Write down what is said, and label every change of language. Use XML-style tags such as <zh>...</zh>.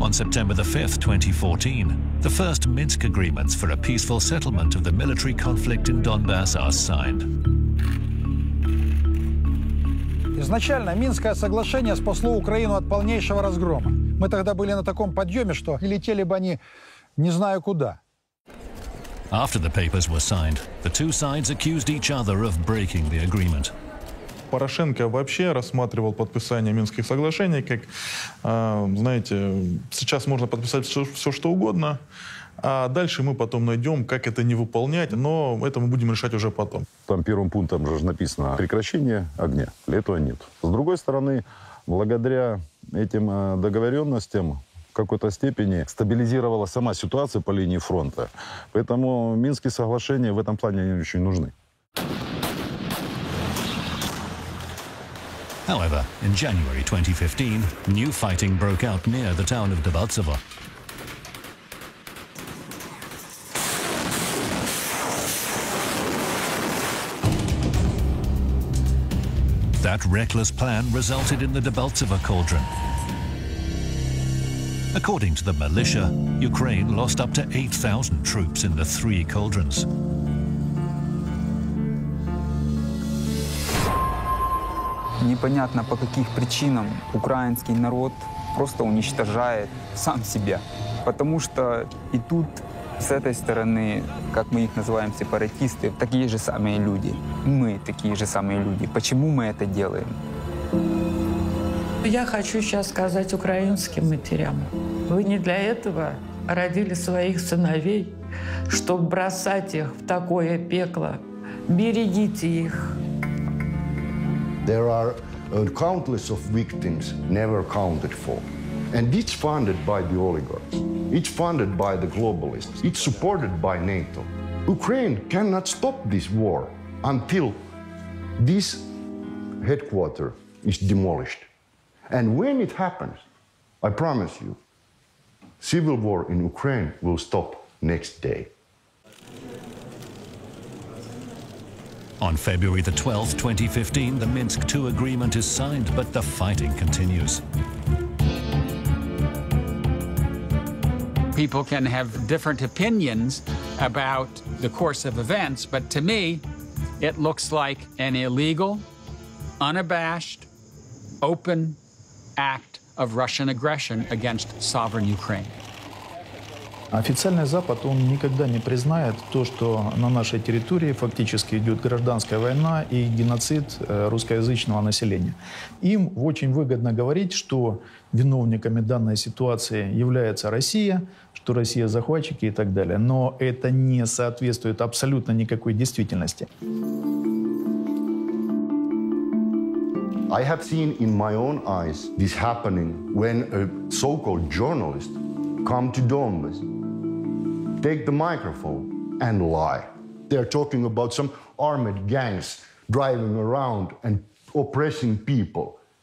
<en>On September the 5th, 2014, the first Minsk agreements for a peaceful settlement of the military conflict in Donbass are signed.</en> <ru>Изначально Минское соглашение спасло Украину от полнейшего разгрома. Мы тогда были на таком подъеме, что летели бы они не знаю куда.</ru> <en>After the papers were signed, the two sides accused each other of breaking the agreement.</en> <ru>Порошенко вообще рассматривал подписание Минских соглашений как, знаете, сейчас можно подписать все что угодно, а дальше мы потом найдем, как это не выполнять, но это мы будем решать уже потом. Там первым пунктом же написано прекращение огня, этого нет. С другой стороны, благодаря этим договоренностям в какой-то степени стабилизировала сама ситуация по линии фронта, поэтому Минские соглашения в этом плане не очень нужны.</ru> <en>However, in January 2015, new fighting broke out near the town of Debaltseve. That reckless plan resulted in the Debaltseve cauldron. According to the militia, Ukraine lost up to 8,000 troops in the three cauldrons.</en> <ru>Непонятно, по каких причинам украинский народ просто уничтожает сам себя. Потому что и тут, с этой стороны, как мы их называем, сепаратисты, такие же самые люди. Мы такие же самые люди. Почему мы это делаем? Я хочу сейчас сказать украинским матерям. Вы не для этого родили своих сыновей, чтобы бросать их в такое пекло. Берегите их.</ru> <en>There are countless of victims never counted for. And it's funded by the oligarchs. It's funded by the globalists. It's supported by NATO. Ukraine cannot stop this war until this headquarter is demolished. And when it happens, I promise you, civil war in Ukraine will stop next day. On February the 12th, 2015, the Minsk II agreement is signed, but the fighting continues. People can have different opinions about the course of events, but to me, it looks like an illegal, unabashed, open act of Russian aggression against sovereign Ukraine.</en> <ru>Официальный Запад, он никогда не признает то, что на нашей территории фактически идет гражданская война и геноцид русскоязычного населения. Им очень выгодно говорить, что виновниками данной ситуации является Россия, что Россия захватчики и так далее. Но это не соответствует абсолютно никакой действительности.</ru> <en>I have seen in my own eyes this happening when a so-called journalist come to Donbas. Take the microphone and lie. They're talking about some armed gangs driving around and oppressing people.</en>